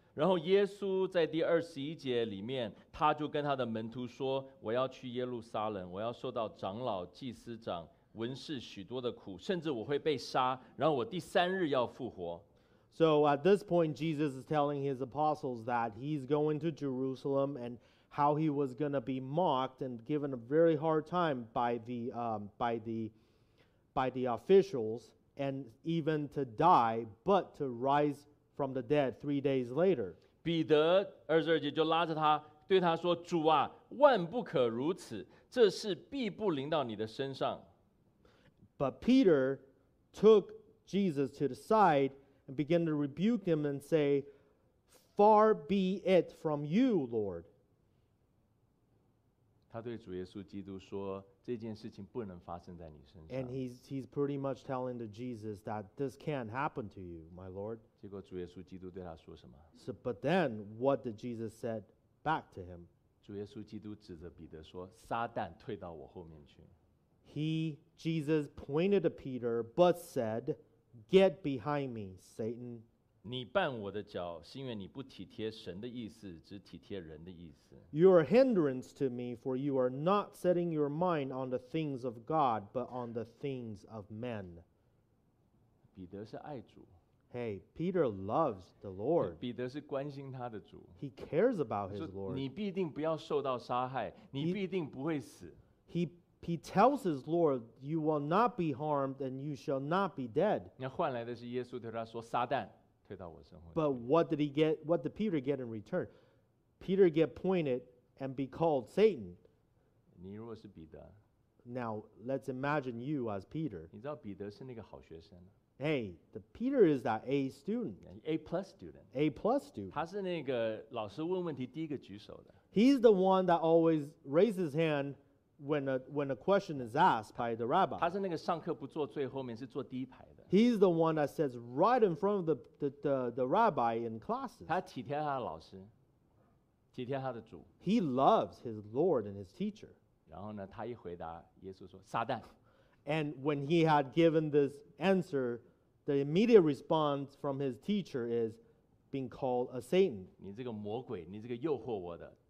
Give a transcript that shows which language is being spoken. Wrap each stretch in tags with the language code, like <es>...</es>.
<zh>然后耶稣在第二十一节里面，他就跟他的门徒说：“我要去耶路撒冷，我要受到长老、祭司长、文士许多的苦，甚至我会被杀，然后我第三日要复活。”</zh> <en>So at this point, Jesus is telling his apostles that he's going to Jerusalem and how he was going to be mocked and given a very hard time by the officials. And even to die, but to rise from the dead 3 days later.</en> <zh>彼得二十二节就拉着他，对他说：“主啊，万不可如此，这事必不临到你的身上。”</zh> <en>But Peter took Jesus to the side and began to rebuke him and say, "Far be it from you, Lord."</en> <zh>他对主耶稣基督说。这件事情不能发生在你身上。</zh> <en>And he's pretty much telling the Jesus that this can't happen to you, my Lord.</en> <zh>结果主耶稣基督对他说什么？</zh> <en>So, but then, what did Jesus said back to him?</en> <zh>主耶稣基督指着彼得说：“撒旦，退到我后面去。”</zh> <en>He, Jesus, pointed to Peter, but said, "Get behind me, Satan."</en> <zh>你绊我的脚，是因为你不体贴神的意思，只体贴人的意思。</zh> <en>You are a hindrance to me, for you are not setting your mind on the things of God, but on the things of men.</en> <zh>彼得是爱主。</zh> <en>Hey, Peter loves the Lord.</en> <zh>彼得是关心他的主。</zh> <en>He cares about his Lord.</en> <zh>你必定不要受到杀害，你必定不会死。</zh> <en>He tells his Lord, "You will not be harmed, and you shall not be dead."</en> <zh>那换来的是耶稣对他说：“撒旦。”</zh> <en>But what did he get? What did Peter get in return? Peter get pointed and be called Satan.</en> <zh>你若是彼得,</zh> <en>Now, let's imagine you as Peter.</en> <zh>你知道彼得是那个好学生。</zh> <en>Hey, the Peter is that A student. A plus student.</en> <zh>他是那个老师问问题第一个举手的。</zh> <en>He's the one that always raises his hand when a question is asked by the rabbi.</en> <zh>他是那个上课不坐最后面，是坐第一排的。</zh> <en>He's the one that sits right in front of the rabbi in classes.</en> <zh>他体贴他的老师，体贴他的主。</zh> <en>He loves his Lord and his teacher.</en> <zh>然后呢，他一回答，耶稣说撒旦。</zh> <en>And when he had given this answer, the immediate response from his teacher is being called a Satan.</en> <zh>你这个魔鬼，你这个诱惑我的。</zh>